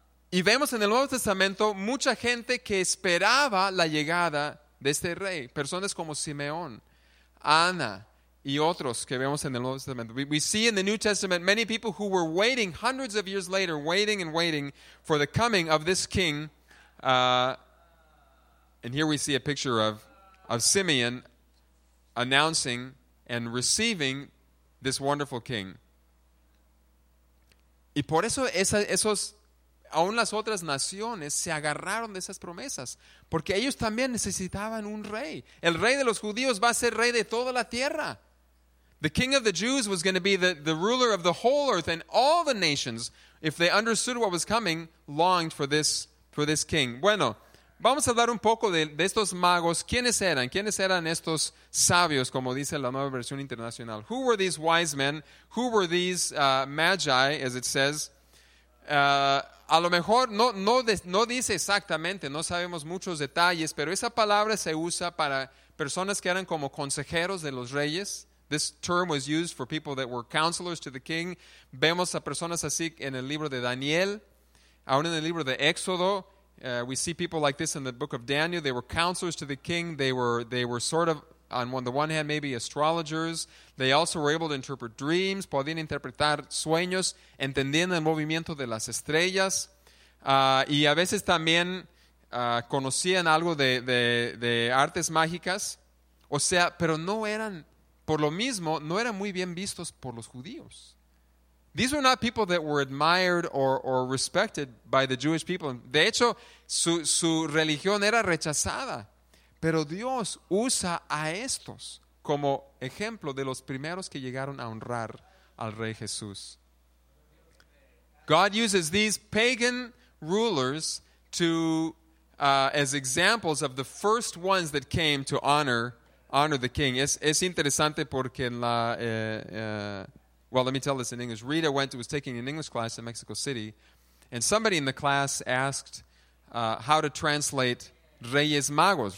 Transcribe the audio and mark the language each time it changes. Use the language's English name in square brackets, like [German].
[Spanish] Y vemos en el Nuevo Testamento mucha gente que esperaba la llegada de este rey. Personas como Simeón, Ana, y otros que vemos en el Nuevo Testamento. [English] We see in the New Testament many people who were waiting hundreds of years later, waiting and waiting for the coming of this king. And here we see a picture of Simeon announcing and receiving this wonderful king. [Spanish] Y por eso esos aun las otras naciones se agarraron de esas promesas, porque ellos también necesitaban un rey. El rey de los judíos va a ser rey de toda la tierra. [English] The king of the Jews was going to be the ruler of the whole earth, and all the nations, if they understood what was coming, longed for this king. [Spanish] Bueno, vamos a hablar un poco de estos magos. ¿Quiénes eran? ¿Quiénes eran estos sabios, como dice la Nueva Versión Internacional? [English] Who were these wise men? Who were these magi, as it says? [Spanish] A lo mejor no dice exactamente, no sabemos muchos detalles, pero esa palabra se usa para personas que eran como consejeros de los reyes. [English] This term was used for people that were counselors to the king. [Spanish] Vemos a personas así en el libro de Daniel, aún en el libro de Éxodo. [English] We see people like this in the book of Daniel. They were counselors to the king. They were sort of, on the one hand, maybe astrologers. They also were able to interpret dreams. [Spanish] Podían interpretar sueños, entendiendo el movimiento de las estrellas. Y a veces también conocían algo de artes mágicas. O sea, pero no eran, por lo mismo, no eran muy bien vistos por los judíos. [English] These were not people that were admired or respected by the Jewish people. [Spanish] De hecho, su religión era rechazada. Pero Dios usa a estos como ejemplo de los primeros que llegaron a honrar al Rey Jesús. [English] God uses these pagan rulers to as examples of the first ones that came to honor the king. [Spanish] Es interesante porque en la... [English] Well, let me tell this in English. Rita was taking an English class in Mexico City, and somebody in the class asked how to translate Reyes Magos.